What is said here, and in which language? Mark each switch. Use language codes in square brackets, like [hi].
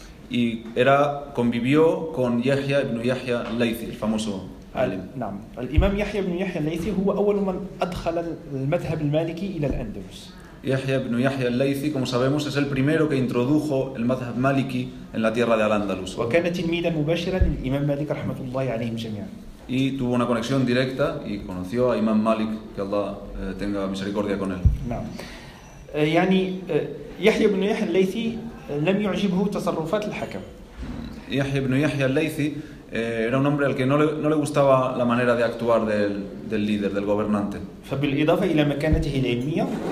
[es] Y convivió con Yahya ibn Yahya al-Laythi, el famoso alim. [ar] نعم. الإمام يحيى بن يحيى الليثي هو أول من أدخل المذهب المالكي إلى الأندلس. [es] يحيى بن يحيى الليثي, como sabemos, es el primero que introdujo el madhhab maliki en la tierra de Al-Andalus. [ar] وكان تلميذا مباشرا للإمام مالك رحمة الله عليهم جميعا. [es] Y tuvo una conexión directa y conoció a Imam Malik, que Allah tenga misericordia con él. [ar] نعم. يعني يحيى بن يحيى الليثي لم يعجبه تصرفات الحكم. [es] يحيى بن يحيى الليثي era un hombre al que no le gustaba la manera de actuar del líder, del gobernante. [ar] فبالإضافة إلى مكانته العلمية.